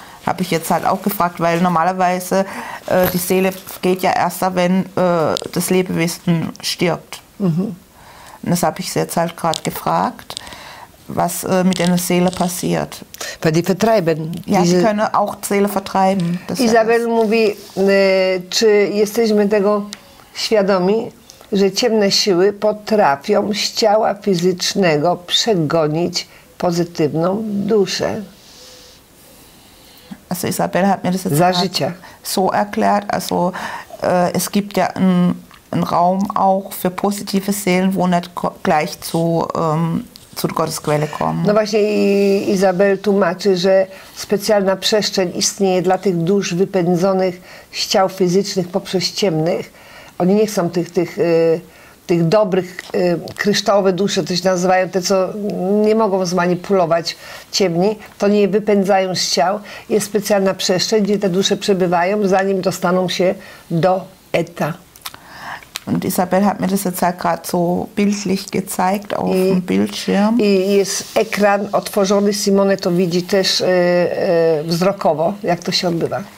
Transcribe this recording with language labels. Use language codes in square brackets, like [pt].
[de] Habe ich jetzt halt auch gefragt, weil normalerweise die Seele geht ja erst, wenn das Lebewesen stirbt. Mhm. Und das habe ich jetzt halt gerade gefragt, was mit der Seele passiert. Weil die vertreiben. Ja, sie können auch Seele vertreiben. [pl] Isabel mówi, czy jesteśmy tego świadomi, że ciemne siły potrafią z ciała fizycznego przegonić pozytywną duszę. [de] Also Isabel hat mir das jetzt [pl] Zażycia. [de] So erklärt, also es gibt ja einen Raum auch für positive Seelen, wo nicht gleich zu Gottesquelle kommen. [pl] No właśnie Isabel tłumaczy, że specjalna przestrzeń istnieje dla tych dusz wypędzonych z ciał fizycznych poprzez ciemnych. Oni nie chcą tych tych dobrych, kryształowe dusze, to się nazywają, te, co nie mogą zmanipulować ciemni, to nie wypędzają z ciał. Jest specjalna przestrzeń, gdzie te dusze przebywają, zanim dostaną się do Eta. [de] Und Isabel hat mir das jetzt ja gerade so bildlich gezeigt auf dem Bildschirm. [pl] I jest ekran otworzony, Simone to widzi też wzrokowo, jak to się odbywa.